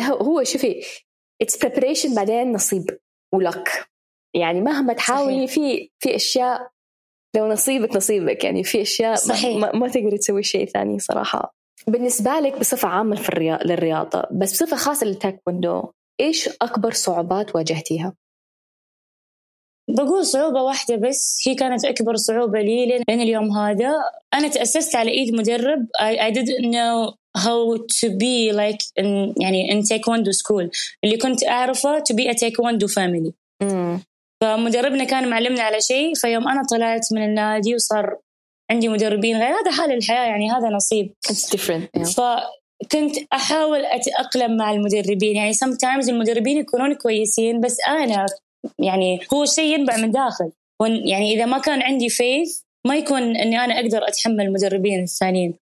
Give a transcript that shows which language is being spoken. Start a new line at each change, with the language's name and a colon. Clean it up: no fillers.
Arabic: هو شوفي
English: it's preparation
Arabic: بعدين نصيب ولك، يعني مهما تحاولي في أشياء لو نصيبك نصيبك، يعني في أشياء ما تقدر تسوي شيء ثاني صراحة. بالنسبة لك بصفة عامة للرياضة، بس بصفة خاصة للتايكوندو، إيش أكبر صعوبات واجهتيها؟ بقول صعوبة واحدة بس هي كانت أكبر صعوبة لي لين اليوم هذا. أنا تأسست على إيد مدرب.
English: I didn't know how to be like in
Arabic: يعني
English: in taekwondo school.
Arabic: اللي كنت أعرفه
English: to be a taekwondo family.
Arabic: فمدربنا كان معلمنا على شيء، فيوم أنا طلعت من النادي وصار عندي مدربين غير، هذا حال الحياة يعني، هذا نصيب.
English: It's different. Yeah.
Arabic: فكنت أحاول أتأقلم مع المدربين، يعني sometimes المدربين يكونون كويسين بس أنا يعني هو شيء ينبع من داخل، يعني إذا ما كان عندي faith ما يكون أني أنا أقدر أتحمل المدربين الثانيين.